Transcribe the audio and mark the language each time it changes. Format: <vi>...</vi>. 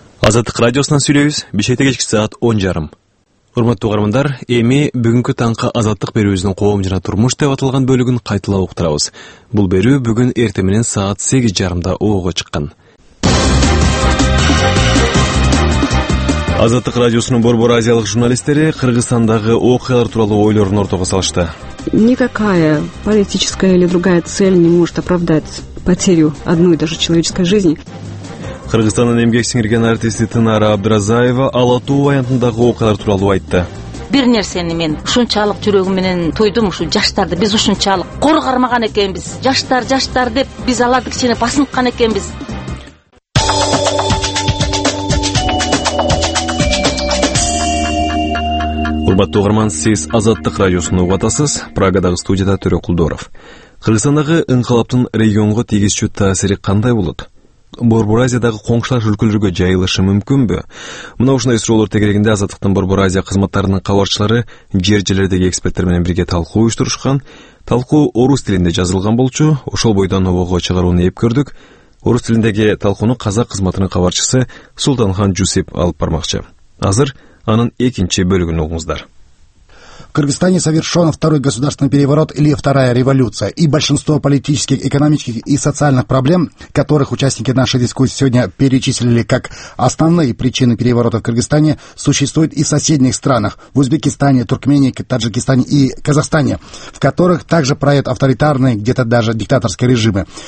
<ky>Азаттык радиосунан сүйлөйбүз. Бишкекте кечки саат 10:30. Урматтуу угармандар, эми бүгүнкү таңкы азаттык берүүбүздүн коом жана турмуш деп аталган бөлүгүн кайталап уктурабыз. Бул берүү бүгүн эрте менен саат 8:30 ого чыккан. Азаттык радиосунун борбор азиялык журналисттери Кыргызстандагы окуялар тууралуу ойлорун ортого салышты.</ky> <ru>Никакая политическая или другая цель не может оправдать потерю одной даже человеческой жизни.</ru> <ky>Кыргызстандын эмгек сиңирген артисти Тынара Абдыразаева Алатуу аянтындагы окуялар тууралуу айтты. Бир нерсени мен ушунчалык жүрөгүм менен тойдум, ушул жаштарды биз ушунчалык коргармаган экенбиз. Жаштар, жаштар деп биз алардын ичине басынткан экенбиз. Урматтуу угарман, сиз Азаттык радиосун угуп атасыз. Прагадагы студияда Төрөкулдоров. Кыргызстандагы инкылаптын регионго тийгизчү таасири кандай болот? Борбор Азиядагы коңшулаш өлкөлөргө жайылышы мүмкүнбү? Мына ушундай суроолор тегерегинде Азаттыктын Борбор Азия кызматтарынын кабарчылары жер жерлердеги эксперттер менен бирге талкуу уюштурушкан. Талкуу орус тилинде жазылган болчу, ошол бойдон обого чыгарууну эп көрдүк. Орус тилиндеги талкууну казак кызматынын кабарчысы Султанхан Жусип алып бармакчы. Азыр анын экинчи бөлүгүн угуңуздар.</ky> <ru>В Кыргызстане совершен второй государственный переворот или вторая революция, и большинство политических, экономических и социальных проблем, которых участники нашей дискуссии сегодня перечислили как основные причины переворота в Кыргызстане, существуют и в соседних странах, в Узбекистане, Туркмении, Таджикистане и Казахстане, в которых также правят авторитарные, где-то даже диктаторские режимы.</ru>